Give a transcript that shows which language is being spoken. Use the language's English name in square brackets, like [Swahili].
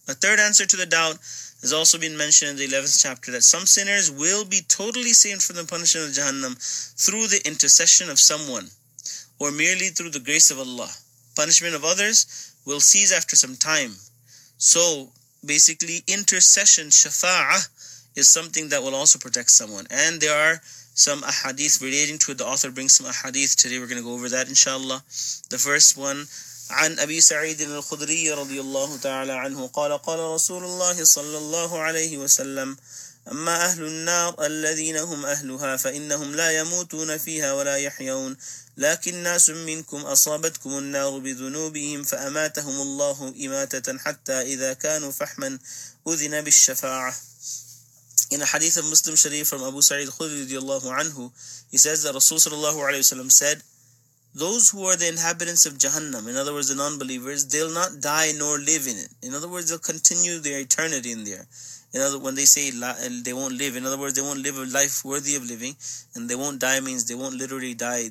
[English] A third answer to the doubt has also been mentioned in the 11th chapter, that some sinners will be totally saved from the punishment of Jahannam through the intercession of someone, or merely through the grace of Allah. Punishment of others will cease after some time. So basically, intercession, shafa'ah, is something that will also protect someone. And there are some ahadith relating to it. The author brings some ahadith. Today we're going to go over that, inshallah. The first one, [Arabic] عن أبي سعيد الخدري رضي الله تعالى عنه قال قال رسول الله صلى الله عليه وسلم أما أهل النار الذين هم أهلها فإنهم لا يموتون فيها ولا يحيون لكن ناس منكم أصابتكم النار بذنوبهم فأماتهم الله إماتة حتى إذا كانوا فحما أذن بالشفاعة. [English] In a hadith of Muslim Sharif from Abu Sa'id al-Khudri [Arabic] رضي الله عنه, [English] he says that Rasul [Arabic] صلى الله عليه وسلم [English] said, those who are the inhabitants of Jahannam, in other words, the non-believers, they'll not die nor live in it. In other words, they'll continue their eternity in there. In other, when they say they won't live, in other words, they won't live a life worthy of living, and they won't die means they won't literally die.